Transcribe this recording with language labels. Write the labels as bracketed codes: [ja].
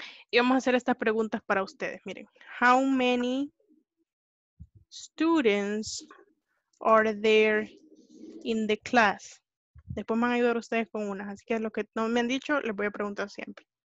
[es] Y vamos a hacer estas preguntas para ustedes. Miren. [en] How many students are there in the class? [es] Después me van a ayudar ustedes con unas. Así que lo que no me han dicho, les voy a preguntar siempre.